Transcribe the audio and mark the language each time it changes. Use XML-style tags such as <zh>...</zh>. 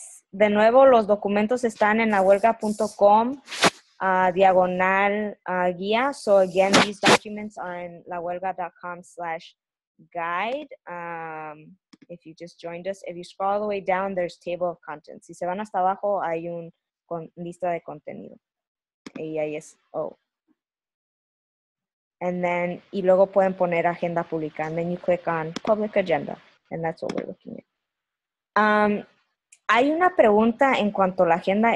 <es>De nuevo, los documentos están en lahuelga.com, diagonal guía.</es> <en>So again, these documents are in lahuelga.com/guide. If you just joined us, if you scroll all the way down, there's table of contents.</en> <es>Si se van hasta abajo, hay un con lista de contenido. Y ahí es, oh.</es> <en>And then,</en> <es>y luego pueden poner agenda pública.</es> <en>And then you click on public agenda. And that's what we're looking at.</en> <es>Hay una pregunta en cuanto a la agenda.</es>